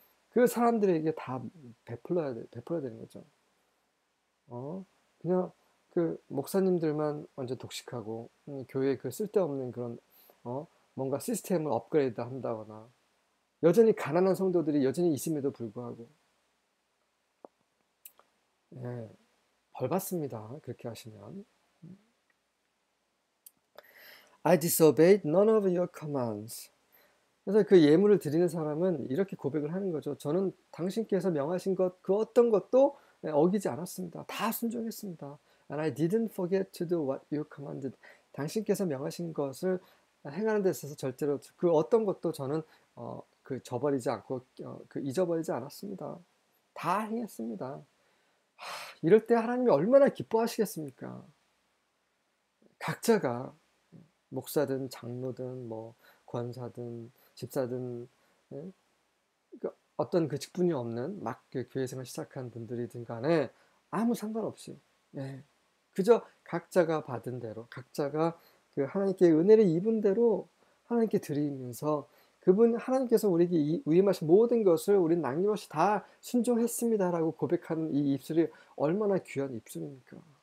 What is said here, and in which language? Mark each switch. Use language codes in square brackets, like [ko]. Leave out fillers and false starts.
[ko] 그 사람들에게 다 베풀어야 되는 거죠. 그냥 그 목사님들만 완전 독식하고 교회에 그 쓸데없는 그런 뭔가 시스템을 업그레이드 한다거나 여전히 가난한 성도들이 여전히 있음에도 불구하고 벌받습니다. 그렇게 하시면 [en] I disobeyed none of your commands. [ko] 그래서 그 예물을 드리는 사람은 이렇게 고백을 하는 거죠. 저는 당신께서 명하신 것, 그 어떤 것도 어기지 않았습니다. 다 순종했습니다. [en] And I didn't forget to do what you commanded. [ko] 당신께서 명하신 것을 행하는 데 있어서 절대로 그 어떤 것도 저는 저버리지 않고 잊어버리지 않았습니다. 다 행했습니다. 이럴 때 하나님이 얼마나 기뻐하시겠습니까? 각자가 목사든 장로든 뭐 권사든 집사든 어떤 그 직분이 없는 막그 교회 생활 시작한 분들이든 간에 아무 상관없이 그저 각자가 받은 대로 각자가 그 하나님께 은혜를 입은 대로 하나님께 드리면서 그분 하나님께서 우리에게 위임하신 모든 것을 우리는 남김없이 다 순종했습니다라고 고백하는 이 입술이 얼마나 귀한 입술입니까?